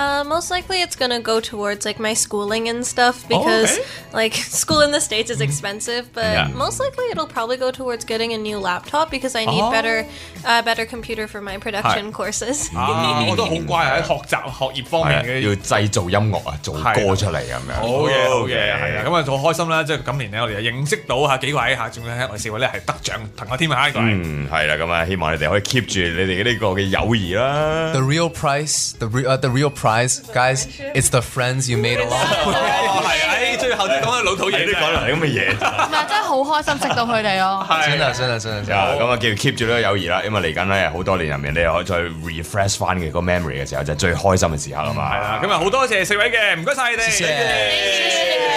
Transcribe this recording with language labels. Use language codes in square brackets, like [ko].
[en] Most likely it's gonna go towards like my schooling and stuff because like school in the States is expensive. But most likely it'll probably go towards getting a new laptop because I need better computer for my production courses. [yue] 我都好乖喺學習學業方面嘅。要製造音樂啊，做歌出嚟咁樣。好嘢，好嘢，係啊！咁啊，好開心啦！即係今年咧，我哋又認識到嚇幾位嚇，仲有我四位咧係得獎朋友添啊！嗯，係啦，咁啊，希望你哋可以 keep 住你哋呢個嘅友誼啦。 [en] The real price, the real price, guys, it's the friends you made along. [yue] 係啊，最後都講到老土嘢，都講到啲咁嘅嘢。唔係，真係好開心識到佢哋咯。真啊，真啊，真啊！咁啊，繼續 keep 住呢個友誼啦，因為嚟緊咧好多年入面，你可以再 refresh 翻嘅個 memory 嘅時候，就係最開心嘅時刻啊嘛。今日好多謝四位嘅，唔該曬你哋。謝謝。